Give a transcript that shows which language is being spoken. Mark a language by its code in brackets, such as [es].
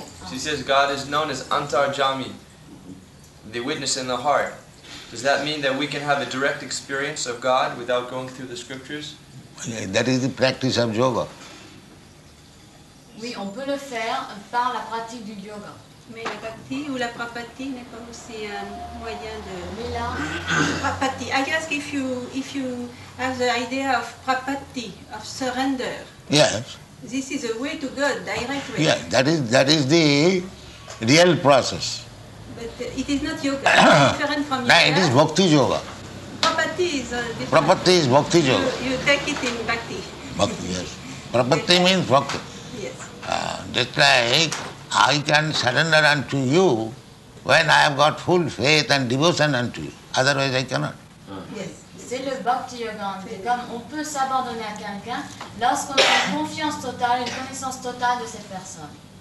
[en] She says God is known as Antarjami, the witness in the heart. Does that mean that we can have a direct experience of God without going through the scriptures? That is the practice of yoga. [fr] Oui, on peut le faire par la pratique du yoga. Mais la bhakti ou la prapati n'est pas aussi un moyen de... prapati. [en] I ask if you have the idea of prapati, of surrender. Yes. This is a way to God, direct way. Yeah, that is the real process. But it is not yoga. It's different from yoga. No, it is bhakti yoga. Prapati is bhakti yoga. You take it in bhakti. Bhakti, yes. Prapati means bhakti. Yes. Just like I can surrender unto you when I have got full faith and devotion unto you. Otherwise I cannot. Yes. [fr] C'est le bhakti yoga, comme on peut s'abandonner à quelqu'un lorsqu'on a une confiance totale, une connaissance totale de cette personne.